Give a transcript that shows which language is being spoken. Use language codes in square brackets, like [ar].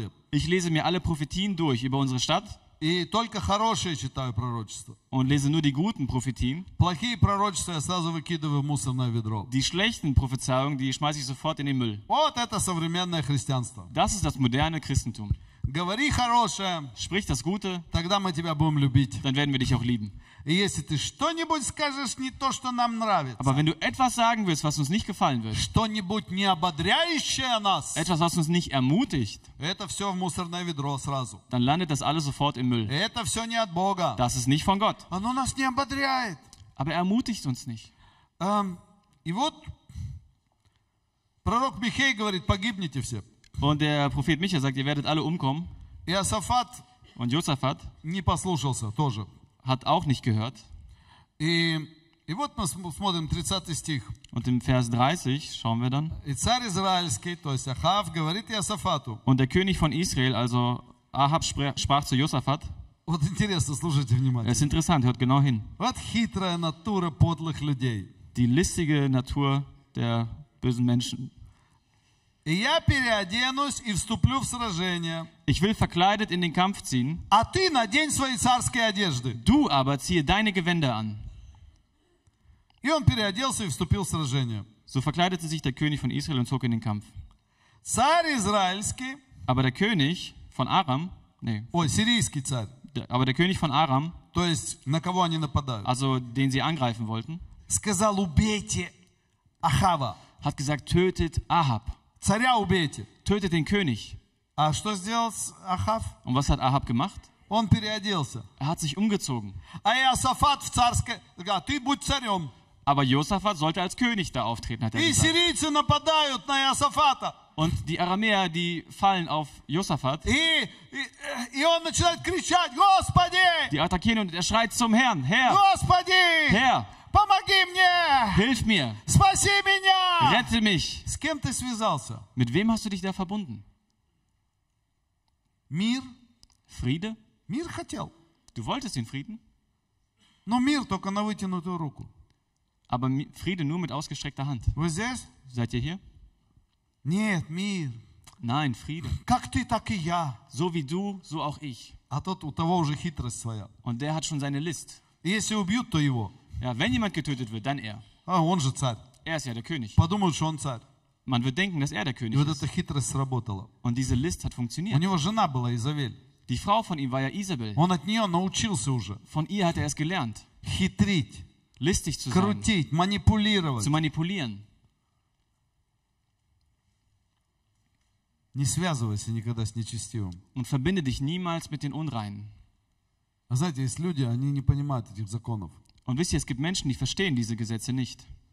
[de] Ich lese mir alle Prophetien durch über unsere Stadt. [ru] И только хорошие читаю пророчества. [de] Und lese nur die guten Prophetien. [ru] Плохие пророчества я сразу выкидываю в мусорное ведро. [de] Die schlechten Prophezeiungen, die schmeiße ich sofort in den Müll. [ru] Вот это современное христианство. [de] Das ist das moderne Christentum. [ru] Говори хорошее. [de] Sprich das Gute. [ru] Тогда мы тебя будем любить. [de] Dann werden wir dich auch lieben. [ru] И если ты что-нибудь скажешь не то, что нам нравится. [de] Aber wenn du etwas sagen willst, was uns nicht gefallen wird. [ru] Что-нибудь не ободряющее нас. [de] Etwas, was uns nicht ermutigt. [ru] Это все в мусорное ведро сразу. [de] Dann landet das alles sofort im Müll. [ru] Это все не от Бога. [de] Das ist nicht von Gott. [ru] Оно нас не ободряет. [de] Aber er ermutigt uns nicht. [ru] И вот пророк Михей говорит, погибнете все. [de] Und der Prophet Micha sagt, ihr werdet alle umkommen. [ru] Иосафат. [de] Und Josaphat. [ru] Не послушался тоже. [de] Hat auch nicht gehört. [ru] И вот мы смотрим 30 стих. [de] Und im Vers 30 schauen wir dann. [ru] И царь израильский, то есть Ахав, говорит Иосафату. [de] Und der König von Israel, also Ахав, sprach zu Josaphat. [ru] Вот интересно, слушайте внимательно. [de] Es ist interessant, hört genau hin. [ru] Вот хитрая натура подлых людей. [de] Die listige Natur der bösen Menschen. [ru] И я переоденусь и вступлю в сражение. [de] Ich will verkleidet in den Kampf ziehen. [ru] А ты надень свои царские одежды. [de] Du aber ziehe deine Gewänder an. [ru] И он переоделся и вступил в сражение. [de] So verkleidete sich der König von Israel und zog in den Kampf. [ru] Царь израильский. [de] Aber der König von Aram. [ru] Сирийский царь. [de] Aber der König von Aram. [ru] То есть на кого они нападают? [de] Also den sie angreifen wollten. [ru] Сказал убейте Ахава. [de] Hat gesagt, tötet Ahab. [ru] Царя убейте. [de] Tötet den König. [ru] А что сделал Ахав? [de] Und was hat Ahab gemacht? [ru] Он переоделся. [de] Er hat sich umgezogen. [ru] А Иосафат в царской... Да, ты будь царем. [de] Aber Josaphat sollte als König da auftreten, hat er gesagt. [ru] И сирийцы нападают на Иосафата. [de] Und die Aramäer, die fallen auf Josaphat. [ru] И он начинает кричать, Господи! [de] Die attackieren und er schreit zum Herrn, Herr! [ru] Господи! [de] Herr! [ru] Помоги мне! [de] Hilf mir! [ru] Спаси меня! [de] Rette mich! [ru] С кем ты связался? [de] Mit wem hast du dich da verbunden? [ru] Мир? [de] Friede? [ru] Мир хотел. [de] Du wolltest den Frieden? [ru] Но мир только на вытянутую руку. [de] Aber Friede nur mit ausgestreckter Hand. [ru] Вы здесь? [de] Seid ihr hier? [ru] Нет, мир. [de] Nein, Friede. [ru] Как ты, так и я. [de] So wie du, so auch ich. [ru] А тот, у того уже хитрость своя. [de] Und der hat schon seine List. [ru] И если убьют, то его. [de] Ja, wenn jemand getötet wird, dann er. [ru] Он же царь. [de] Er ist ja der König. [ru] Подумают, что он царь. [de] Man wird denken, dass er der König ist. [ru] И вот эта хитрость сработала. [de] Und diese List hat funktioniert. [ru] У него жена была Изавель. [de] Die Frau von ihm war ja Isabel. [ru] Он от нее научился уже. [de] Von ihr hat er es gelernt. [ru] Хитрить. [de] Listig zu sein. [ru] Крутить, манипулировать. [de] Zu manipulieren. [ru] Не связывайся никогда с нечестивым. [de] Und verbinde dich niemals mit den Unreinen. [ru] А знаете, есть люди, они не понимают этих законов. [de] Und wisst ihr, es gibt Menschen, die verstehen diese Gesetze nicht.